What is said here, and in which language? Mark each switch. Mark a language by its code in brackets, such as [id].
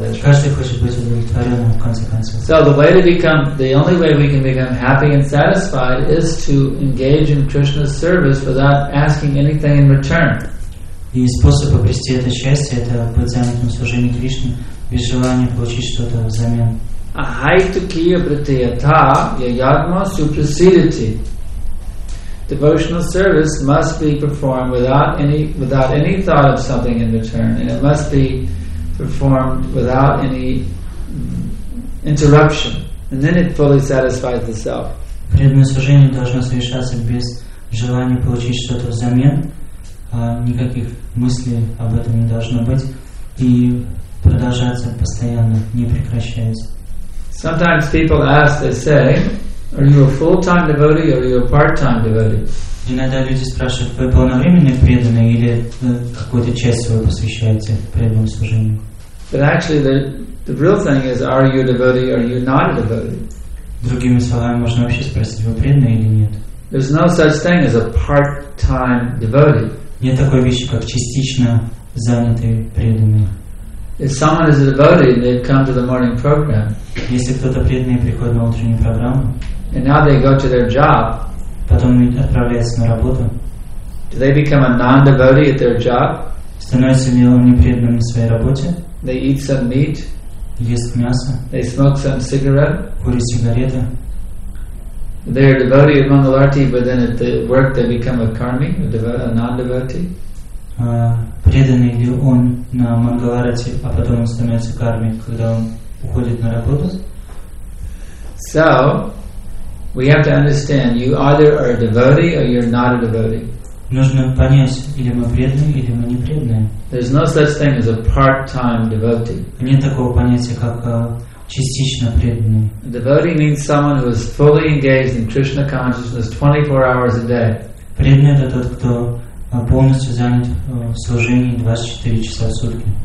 [en] So the way to become, the only way we can become happy and satisfied is to engage in Krishna's service without asking anything in return. [ru] И способ обрести это счастье – это быть занятым служением Кришне без желания получить что-то взамен. [en] Devotional service must be performed without any thought of something in return, and it must be performed without any interruption, and then it fully satisfies the self. [ru] Преданное служение должно совершаться без желания получить что-то взамен, никаких мыслей об этом не должно быть, и продолжаться постоянно, не прекращаясь. [en] Sometimes people ask, they say, are you a full-time devotee or are you a part-time devotee? [ru] Иногда люди спрашивают, вы полновременный преданный или какую-то часть свою посвящаете преданному служению? [en] But actually, the real thing is, are you a devotee or are you not a devotee? [ru] Другими словами, можно вообще спросить, вы преданный или нет? [en] There's no such thing as a part-time devotee. [ru] Нет такой вещи, как частично занятый преданный. [en] If someone is a devotee, they've come to the morning program. [ru] Если кто-то преданный приходит на утреннюю программу. [en] And now they go to their job. [ru] Потом отправляются на работу. [en] Do they become a non-devotee at their job? [ru] Становятся ли они преданными в своей работе? [en] They eat some meat. [ru] Ест мясо. [en] They smoke some cigarette. [ru] Курят сигареты. [en] They are devotee at Mangalarti, but then at the work they become a karmi, a non-devotee. [ru] Преданный ли он на Мангаларате, а потом он становится кармой, когда он уходит на работу? [en] So, we have to understand, you either are a devotee or you're not a devotee. [ru] Нужно понять, или мы преданные, или мы не преданные. [en] There's no such thing as a part-time devotee. [ru] Нет такого понятия, как частично преданный. [en] A devotee means someone who is fully engaged in Krishna consciousness 24 hours a day. [ru] Преданный – это тот, кто полностью занят в служении 24 часа в сутки.